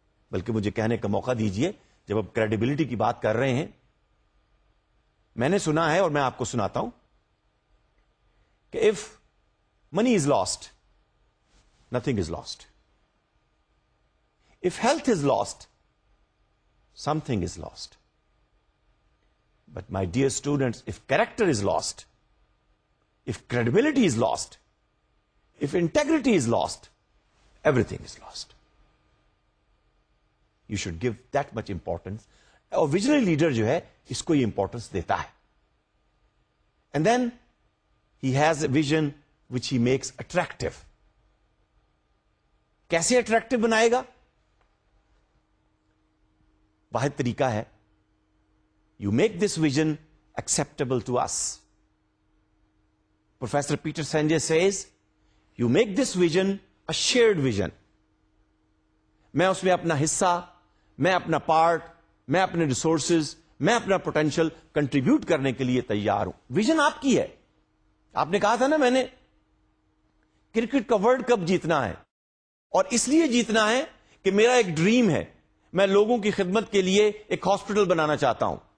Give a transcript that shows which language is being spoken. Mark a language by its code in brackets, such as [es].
[ur] بلکہ مجھے کہنے کا موقع دیجئے, جب آپ کریڈیبلٹی کی بات کر رہے ہیں, میں نے سنا ہے اور میں آپ کو سناتا ہوں کہ [en] If money is lost nothing is lost, if health is lost something is lost, but my dear students, if character is lost, if credibility is lost, if integrity is lost, everything is lost. You should give that much importance. A visionary leader [ur] jo hai isko ye importance deta hai, [en] and then he has a vision which he makes attractive. [ur] کیسے attractive بنائے گا؟ واحد طریقہ ہے, [en] You make this vision acceptable to us. Professor Peter Senge says, you make this vision a shared vision. [ur] میں اس میں اپنا حصہ, میں اپنا پارٹ, میں اپنے ریسورسز, میں اپنا پوٹینشیل کنٹریبیوٹ کرنے کے لیے تیار ہوں. ویژن آپ کی ہے. آپ نے کہا تھا نا, میں نے کرکٹ کا ورلڈ کپ جیتنا ہے, اور اس لیے جیتنا ہے کہ میرا ایک ڈریم ہے, میں لوگوں کی خدمت کے لیے ایک ہاسپٹل بنانا چاہتا ہوں.